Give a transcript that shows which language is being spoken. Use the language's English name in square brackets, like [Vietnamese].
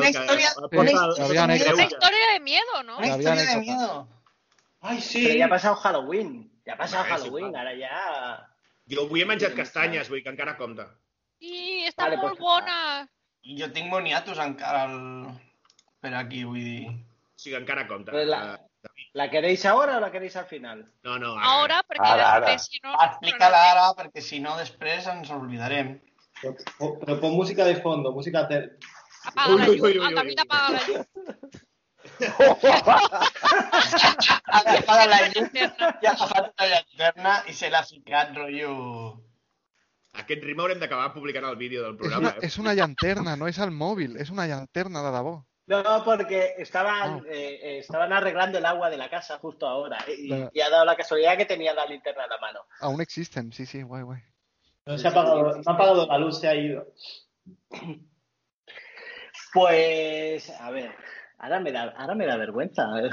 [Catalan] una història [Spanish] de miedo, [Catalan] no? Una història [Spanish] de miedo. [Catalan] Ai, sí. Però ja ha passat Halloween. Ja ha passat Halloween, ara ja... Jo avui he menjat castanyes, vull que encara compta. Sí, està vale, molt bona. Jo tinc moniatos encara per aquí, vull dir... O sigui, encara compta. [Spanish] La queréis ahora o la queréis al final? [Catalan] No, ara. Ara, perquè després, si no... Explica-la ara, perquè si no, després ens oblidarem. [Spanish] Però pon música de fondo, música de... [Catalan] Apaga la llum, el David apaga la llum. Apaga la llum, ja ha fet la llanterna i se l'ha ficat, rotllo... Aquest ritme haurem d'acabar publicant el vídeo del programa. És una llanterna, no és el mòbil, és una llanterna de debò. [Spanish] No, porque estaban arreglando el agua de la casa justo ahora y ha dado la casualidad que tenía la linterna a la mano. Aún existen, sí, sí, guay, guay. No ha apagado la luz, se ha ido. Pues, a ver, ahora me da vergüenza.